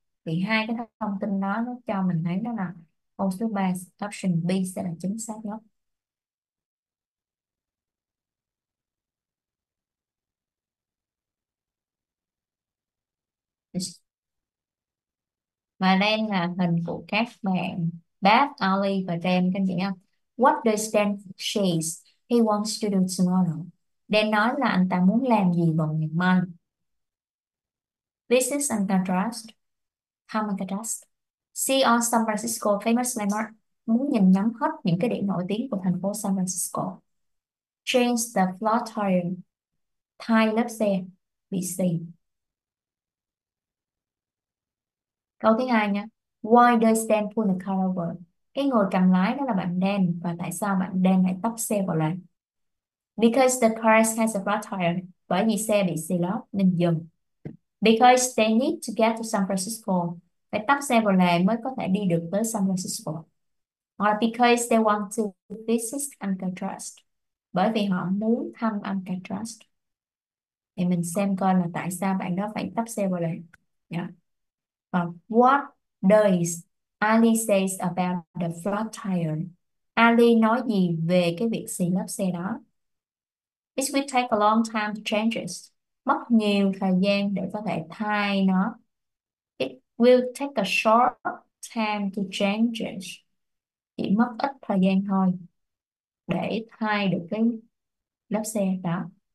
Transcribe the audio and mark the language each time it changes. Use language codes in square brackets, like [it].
[vi] Thì hai cái thông tin đó nó cho mình thấy đó là câu số 3, option B sẽ là chính xác nhất. Và đây là hình của các bạn Beth, Ali và Dan, các anh chị nhé. [en] What does Dan says he wants to do tomorrow? [vi] Dan nói là anh ta muốn làm gì vào ngày mai. This is a contrast. How many contrast? See all San Francisco famous landmark. Muốn nhìn ngắm hết những cái điểm nổi tiếng của thành phố San Francisco. [en] Change the flat tire. Thay lớp xe. Be seen. Câu thứ hai nha. Why does Dan pull the car over? [vi] Cái người cầm lái đó là bạn Dan. Và tại sao bạn Dan lại tấp xe vào lề? Because the car has a flat tire. Bởi vì xe bị xì lốp nên dừng. [en] Because they need to get to San Francisco. [vi] Phải tấp xe vào lề mới có thể đi được tới San Francisco. Or because they want to visit Alcatraz. Bởi vì họ muốn thăm Alcatraz. Thì mình xem coi là tại sao bạn đó phải tấp xe vào lề. Yeah. [en] What does Ali say about the flat tire? [vi] Ali nói gì về cái việc xì lốp xe đó? It will take a long time to change it. [en] Mất nhiều thời gian để có thể thay nó. It will take a short time to change it. [vi] Chỉ mất ít thời gian thôi để thay được cái lốp xe đó.